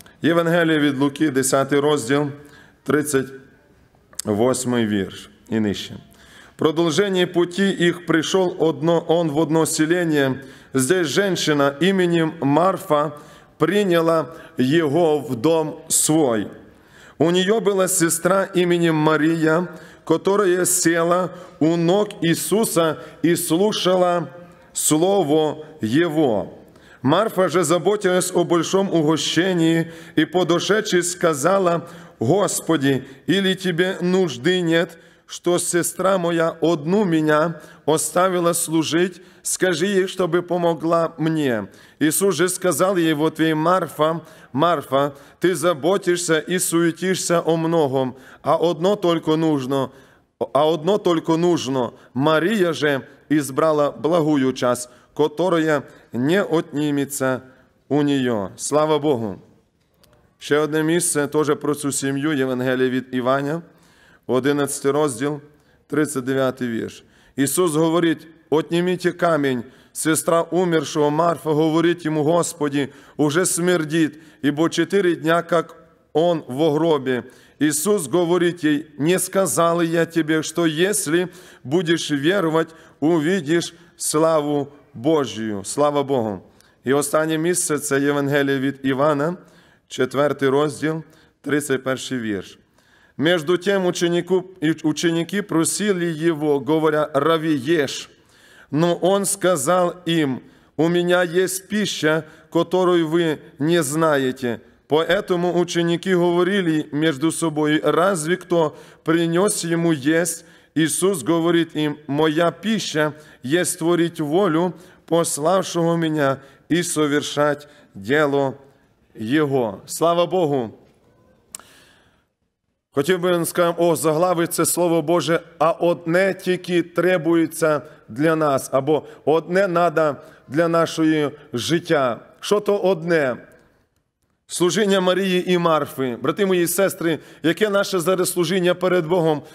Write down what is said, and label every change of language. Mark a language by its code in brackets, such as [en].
[uk] Євангеліє від Луки, 10 розділ, 38 вірш і нижче. В продовженні путі їх прийшов он в одно селення. Здесь жінка іменем Марфа прийняла його в дом свой. [ru] У нее была сестра именем Мария, которая села у ног Иисуса и слушала слово его. Марфа же заботилась о большом угощении и, подошедши, сказала: «Господи, или тебе нужды нет, что сестра моя одну меня оставила служить? Скажи ей, чтобы помогла мне». Иисус же сказал ей: «Вот твоя Марфа, Марфа, ты заботишься и суетишься о многом, а одно только нужно. Мария же избрала благую часть, которая не отнимется у нее». Слава Богу! [uk] Ще одне місце, теж про цю сім'ю, Євангеліє від Івана, 11 розділ, 39 вірш. Ісус говорить: «Отніміть камінь». Сестра умершого Марфа говорить йому: «Господи, уже смердить, ібо 4 дня, як он в гробі». Ісус говорить їй: «Не сказали я тебе, що якщо будеш вірувати, увидиш славу Божію». Слава Богу! І останнє місце – це Євангеліє від Івана, 4 розділ, 31 вірш. [ru] Между тем ученики просили его, говоря: «Рави, ешь». Но он сказал им: «У меня есть пища, которую вы не знаете». Поэтому ученики говорили между собой: «Разве кто принес ему есть?» Иисус говорит им: «Моя пища есть творить волю пославшего меня и совершать дело его». Слава Богу! [uk] Хотів би сказати, о, заглавить це Слово Боже, а одне тільки требується для нас, або одне треба для нашої життя. Що то одне? Служіння Марії і Марфи. Брати мої сестри, яке наше зараз служіння перед Богом?